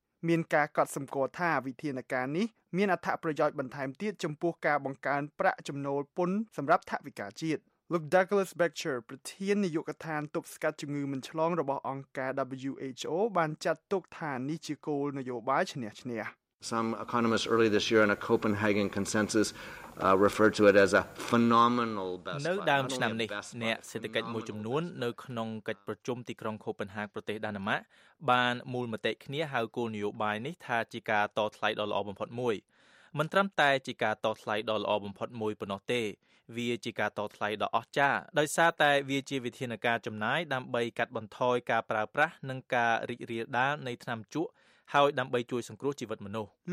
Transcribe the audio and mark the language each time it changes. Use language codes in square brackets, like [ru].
[km] មានការកត់សម្គាល់ថាវិធានការនេះមានអត្ថប្រយោជន៍បន្ថែមទៀតចំពោះការបង្កើនប្រាក់ចំណូលពន្ធសម្រាប់ថវិកាជាតិលោក Douglas Becker ប្រធាននាយកដ្ឋានទប់ស្កាត់ជំងឺមិនឆ្លងរបស់អង្គការ WHO បានចាត់ទុកថានេះជាគោលនយោបាយឈ្នះឈ្នះ [en] Some economists early this year in a Copenhagen consensusrefer to it as a phenomenal best [km] នៅដើមឆ្នាំនេះអ្នកសេដ្ឋកិច្ចមួយចំនួននៅក្នុងកិច្ចប្រជុំទីក្រុងខូបិនហាគប្រទេសដាណឺម៉ាកបានមូលមតិគ្នាហៅគោលនយោបាយនេះថាជាការតថ្លៃដ៏ល្អបំផុតមួយមិនត្រឹមតែជាការតថ្លៃដ៏ល្អបំផុតមួយប៉ុណ្ណោះទេវាជាការតថ្លៃដ៏អស្ចារ្យដោយសារតែវាជាវិធានការចំណាយដើម្បីកាត់បន្ថយការប្រើប្រាស់និងការរីករាលដាលនៃថ្នាំជក់ហើយដើម្បីជួយសង្គ្រោះជីវិតមនុស្ស